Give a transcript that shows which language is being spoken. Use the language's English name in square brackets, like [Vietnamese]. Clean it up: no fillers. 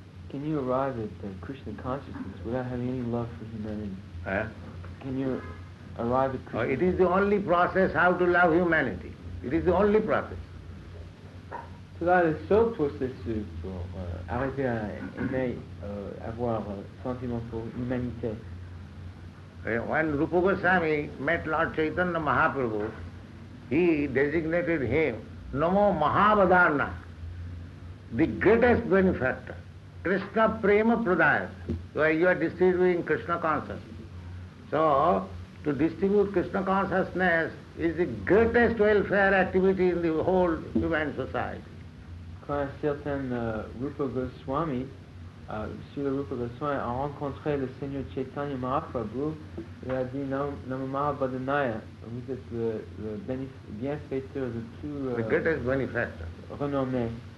[English] Can you arrive at the Krishna consciousness without having any love for humanity? Can you arrive at Krishna? It is the only process how to love humanity. It is the only process. [French] Cela est le seul processus pour arriver à aimer, avoir sentiment pour l'humanité. [English] When Rupa Goswami met Lord Chaitanya Mahaprabhu, he designated him Namo Mahavadarna, the greatest benefactor, Krishna Prema Pradayas, where you are distributing Krishna consciousness. So, to distribute Krishna consciousness is the greatest welfare activity in the whole human society. [French] Quand un certain Rupa Goswami, Sri Rupa Goswami, a rencontré le Seigneur Chaitanya Mahaprabhu, il a dit Namo Mahavadanaya, vous êtes le bienfaiteur de tout. [English] The greatest benefactor. [French] Renommé.